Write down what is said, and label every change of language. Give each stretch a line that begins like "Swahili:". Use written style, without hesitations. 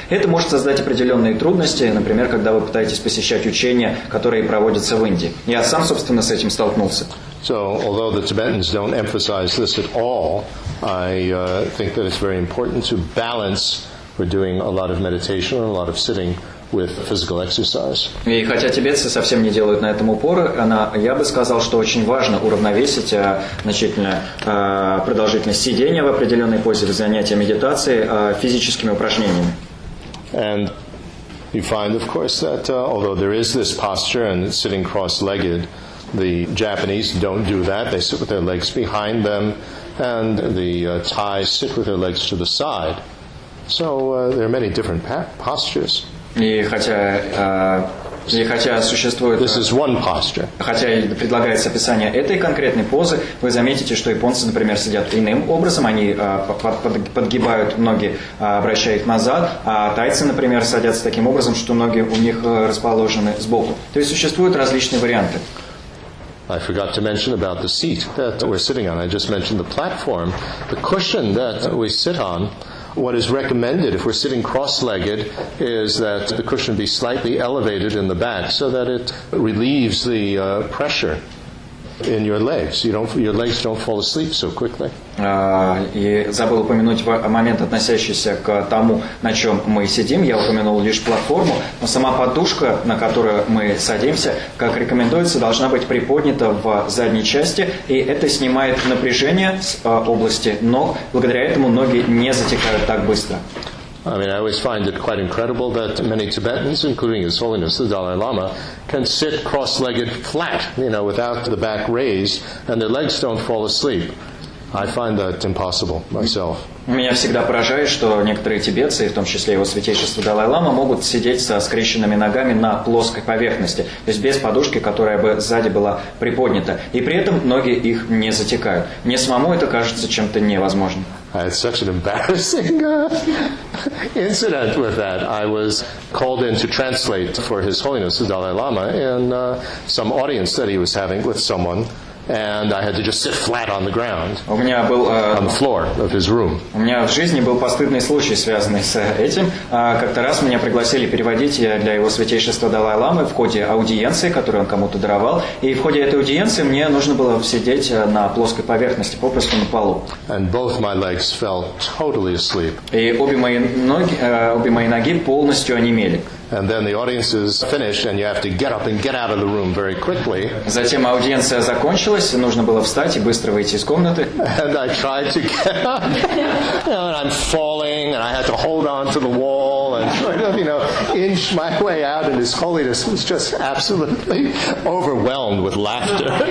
Russian: Это может создать определенные трудности, например, когда вы пытаетесь посещать учения, которые проводится в Индии. Я сам, собственно, с этим столкнулся.
English: So, although the Tibetans don't emphasize this at all, I think that it's very important to balance for doing a lot of meditation and a lot of sitting with physical exercise.
Russian: И хотя тибетцы совсем не делают на этом упор, я бы сказал, что очень важно уравновесить значительную продолжительность сидения в определенной позе в занятии медитацией физическими упражнениями.
English: And you find, of course, that although there is this posture and it's sitting cross-legged, the Japanese don't do that. They sit with their legs behind them, and the Thai sit with their legs to the side. So there are many different postures. This is one posture.
Russian: Хотя предлагается описание этой конкретной позы, вы заметите, что японцы, например, сидят иным образом, они подгибают ноги, обращая их назад, а тайцы, например, садятся таким образом, что ноги у них расположены сбоку. То есть существуют различные варианты.
English: I forgot to mention about the seat that we're sitting on. I just mentioned the platform, the cushion that we sit on. What is recommended if we're sitting cross-legged is that the cushion be slightly elevated in the back so that it relieves the pressure in your legs. Your legs don't fall asleep so quickly.
Russian: И забыл упомянуть момент, относящийся к тому, на чем мы сидим. Я упомянул лишь платформу, но сама подушка, на которую мы садимся, как рекомендуется, должна быть приподнята в задней части, и это снимает напряжение с области ног. Благодаря этому ноги не затекают так быстро.
English: I mean, I always find it quite incredible that many Tibetans, including His Holiness the Dalai Lama, can sit cross-legged flat, you know, without the back raised, and their legs don't fall asleep. I find that impossible myself.
Russian: Меня всегда поражает, что некоторые тибетцы, в том числе его святейшество Далай-лама, могут сидеть со скрещенными ногами на плоской поверхности, то есть без подушки, которая бы сзади была приподнята, и при этом ноги их не затекают. Мне самому это кажется чем-то невозможным.
English: I had such an embarrassing incident with that. I was called in to translate for His Holiness the Dalai-lama in some audience that he was having with someone. And I had to just sit flat on the ground, on the floor of his room.
Russian: У меня в жизни был постыдный случай, связанный с этим. Как-то раз меня пригласили переводить для его святейшества Далай-ламы в ходе аудиенции, которую он кому-то даровал. И в ходе этой аудиенции мне нужно было сидеть на плоской поверхности, попросту на полу.
English: And both my legs fell totally asleep.
Russian: И обе мои ноги полностью онемели.
English: And then the audience is finished, and you have to get up and get out of the room very quickly.
Russian: Затем аудиенция закончилась, нужно было встать и быстро выйти из комнаты.
English: And I tried to get up, you know, and I'm falling, and I had to hold on to the wall and, you know, inch my way out. And His Holiness was just absolutely overwhelmed with laughter.